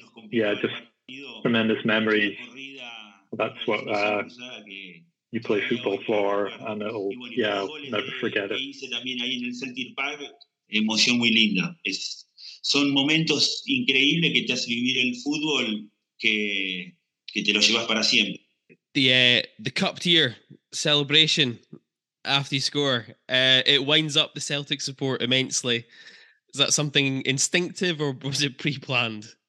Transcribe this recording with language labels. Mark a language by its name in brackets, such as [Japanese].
[English] Just tremendous memories. That's what you play football for, and it'll, never forget it. [Spanish] Son momentos increíbles que te hace vivir el fútbol que te lo llevas para siempre. [English] The cup tier celebration after you score, it winds up the Celtic support immensely. Is that something instinctive or was it pre-planned?